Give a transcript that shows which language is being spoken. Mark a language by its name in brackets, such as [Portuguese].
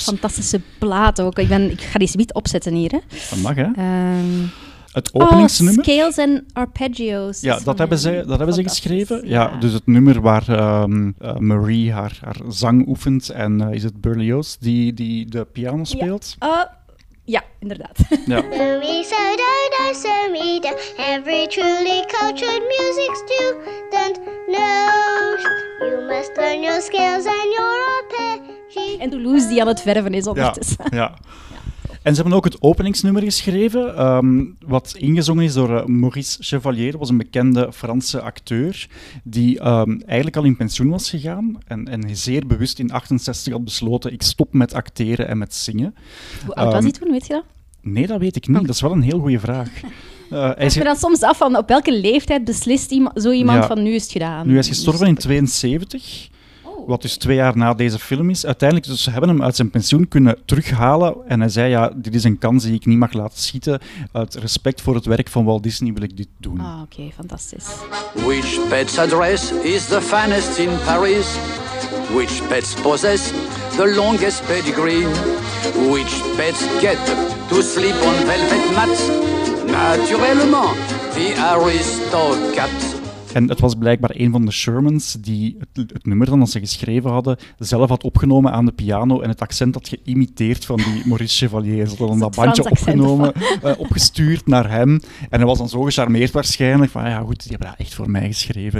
[Dutch] Oh, fantastische plaat ook. Ik ga die niet opzetten hier. Hè. Dat mag, hè. Het openingsnummer. Oh, scales en arpeggios. Ja, dat hebben ze geschreven. Ja. Ja, dus het nummer waar Marie haar zang oefent en is het Berlioz die de piano speelt? Ja, inderdaad. Ja. [English] Louisa, Dida, Sarita, every truly cultured music student knows you must learn your scales and your arpeggios. [Dutch] En Toulouse die aan het verven is ondertussen. Ja. En ze hebben ook het openingsnummer geschreven, wat ingezongen is door Maurice Chevalier. Dat was een bekende Franse acteur die eigenlijk al in pensioen was gegaan en zeer bewust in 1968 had besloten, ik stop met acteren en met zingen. Hoe oud was hij toen, weet je dat? Nee, dat weet ik niet. Dat is wel een heel goede vraag. Ik me dan soms af van op welke leeftijd beslist zo iemand van nu is het gedaan? Nu, hij is gestorven in 1972. Wat dus 2 jaar na deze film is. Uiteindelijk, dus ze hebben hem uit zijn pensioen kunnen terughalen. En hij zei, dit is een kans die ik niet mag laten schieten. Uit respect voor het werk van Walt Disney wil ik dit doen. Ah, oké, fantastisch. [English] Which pet's address is the finest in Paris? Which pets possess the longest pedigree? Which pets get to sleep on velvet mats? naturellement, the aristocrats. [Dutch] En het was blijkbaar een van de Shermans die het nummer dan dat ze geschreven hadden zelf had opgenomen aan de piano en het accent had geïmiteerd van die Maurice Chevalier. Ze hadden dat bandje opgenomen, opgestuurd naar hem. En hij was dan zo gecharmeerd waarschijnlijk van, ja goed, die hebben dat echt voor mij geschreven.